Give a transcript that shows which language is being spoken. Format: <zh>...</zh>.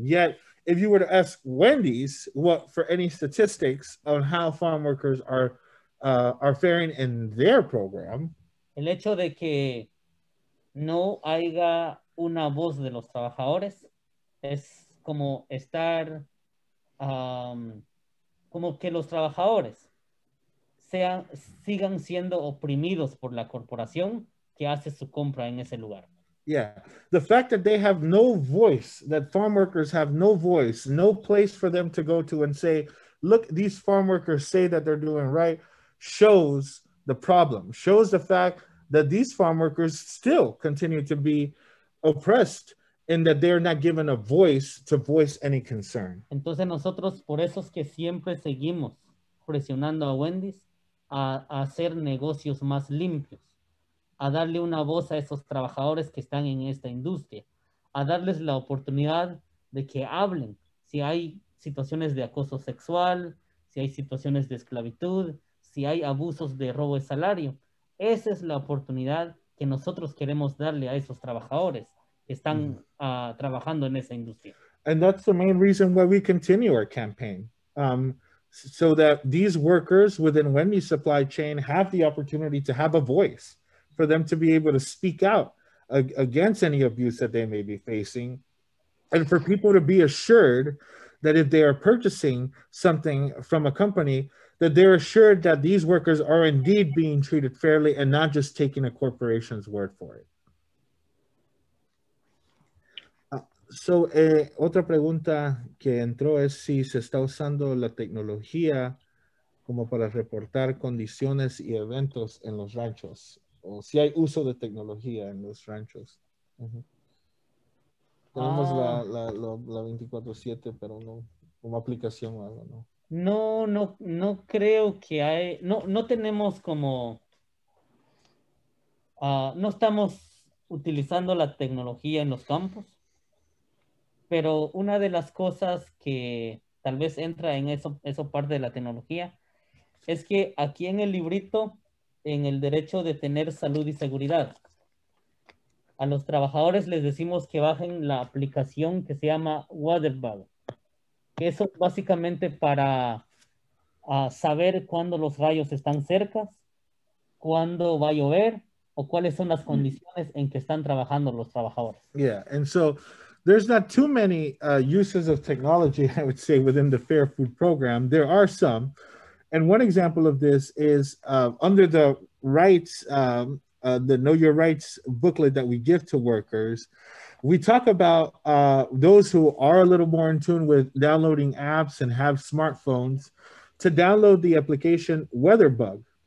<en>Yet, if you were to ask Wendy's what for any statistics on how farm workers are faring in their program.</en> <es>El hecho de que no haya una voz de los trabajadores es como estar como que los trabajadores sigan siendo oprimidos por la corporación que hace su compra en ese lugar.</es> <en>Yeah, the fact that they have no voice, that farm workers have no voice, no place for them to go to and say, look, these farm workers say that they're doing right, shows the problem, shows the fact that these farm workers still continue to be oppressed and that they're not given a voice to voice any concern.</en> <es>Entonces nosotros, por eso es que siempre seguimos presionando a Wendy's, a hacer negocios más limpios, a darle una voz a esos trabajadores que están en esta industria, a darles la oportunidad de que hablen si hay situaciones de acoso sexual, si hay situaciones de esclavitud, si hay abusos de robo de salario. Esa es la oportunidad que nosotros queremos darle a esos trabajadores que están trabajando en esa industria.</es> <en>And that's the main reason why we continue our campaign. So that these workers within Wendy's supply chain have the opportunity to have a voice, for them to be able to speak out against any abuse that they may be facing, and for people to be assured that if they are purchasing something from a company, that they're assured that these workers are indeed being treated fairly and not just taking a corporation's word for it.</en> <es>Otra pregunta que entró es si se está usando la tecnología como para reportar condiciones y eventos en los ranchos, o si hay uso de tecnología en los ranchos. Uh-huh. Tenemos la 24/7, pero no como aplicación o algo, ¿no? No creo que hay, no tenemos como, no estamos utilizando la tecnología en los campos. Pero una de las cosas que tal vez entra en eso parte de la tecnología es que aquí en el librito, en el derecho de tener salud y seguridad, a los trabajadores les decimos que bajen la aplicación que se llama Waterbug. Eso básicamente para saber cuándo los rayos están cerca, cuándo va a llover, o cuáles son las condiciones en que están trabajando los trabajadores.</es> <en>Yeah, and so there's not too many uses of technology, I would say, within the Fair Food Program. There are some. And one example of this is under the rights, the Know Your Rights booklet that we give to workers, we talk about those who are a little more in tune with downloading apps and have smartphones to download the application Weatherbug.</en>